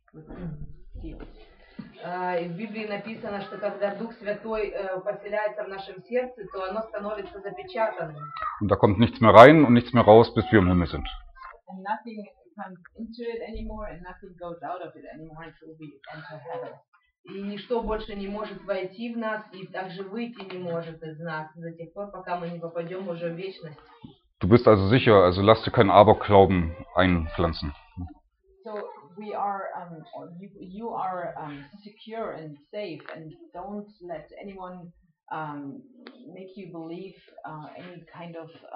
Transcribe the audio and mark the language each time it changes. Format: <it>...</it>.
<ru>В Библии написано, что когда Дух Святой поселяется в нашем сердце, то оно становится запечатанным.</ru> <de>Und da kommt nichts mehr rein und nichts mehr raus, bis wir im Himmel sind.</de> <en>And nothing comes into it anymore, and nothing goes out of it anymore until we enter heaven.</en> <ru>И ничто больше не может войти в нас и также выйти не может из нас до тех пор, пока мы не попадем уже в вечность.</ru> <de>Du bist also sicher, also lass dir keinen Aberglauben einpflanzen.</de> <en>So we are you are secure and safe and don't let anyone make you believe any kind of</en>